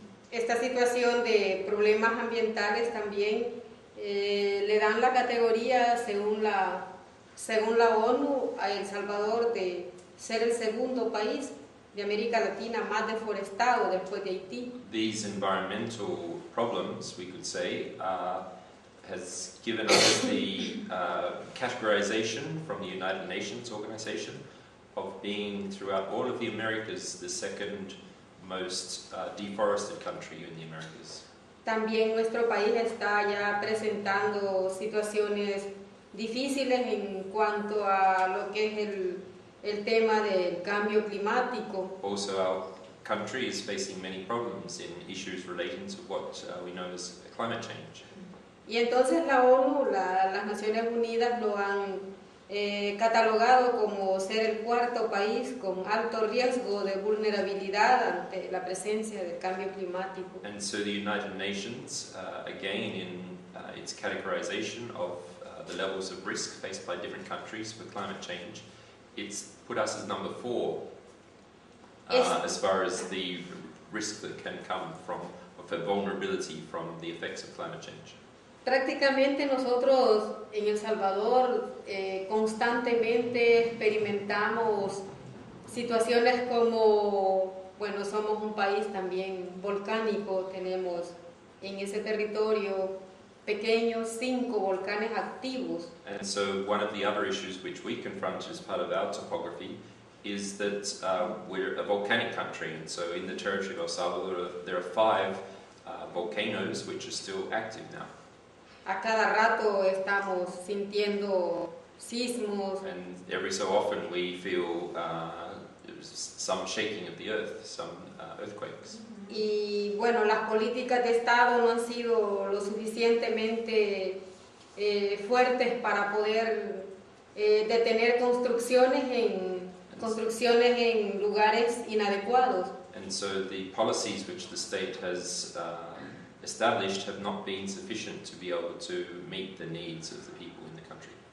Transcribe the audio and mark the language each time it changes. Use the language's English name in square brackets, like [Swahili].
[Spanish] Esta situación de problemas ambientales también le dan la categoría según la ONU a El Salvador de ser el segundo país de América Latina más deforestado después de Haití. [English] These environmental problems, we could say, has given us the categorization from the United Nations organization of being throughout all of the Americas the second most deforested country in the Americas. [Spanish] También nuestro país está ya presentando situaciones difíciles en cuanto a lo que es el tema del cambio climático. [English] Also, our country is facing many problems in issues relating to what we know as climate change. [Spanish] Y entonces la ONU, las Naciones Unidas lo han catalogado como ser el cuarto país con alto riesgo de vulnerabilidad ante la presencia del cambio climático. [English] And so the United Nations, again in its categorization of the levels of risk faced by different countries for climate change, it's put us as number four as far as the risk that can come from, or for vulnerability from the effects of climate change. [Spanish] Prácticamente nosotros en El Salvador constantemente experimentamos situaciones como, bueno, somos un país también volcánico, tenemos en ese territorio pequeños 5 volcanes activos. [English] And so one of the other issues which we confront as part of our topography is that we're a volcanic country, and so in the territory of El Salvador there are 5 volcanoes which are still active now. [Spanish] A cada rato estamos sintiendo sismos. [English] And every so often we feel some shaking of the earth, some earthquakes. [Spanish] Y bueno, las políticas de Estado no han sido lo suficientemente fuertes para poder detener construcciones en lugares inadecuados. [English] And so the policies which the state has established have not been sufficient to be able to meet the needs of the people in the country.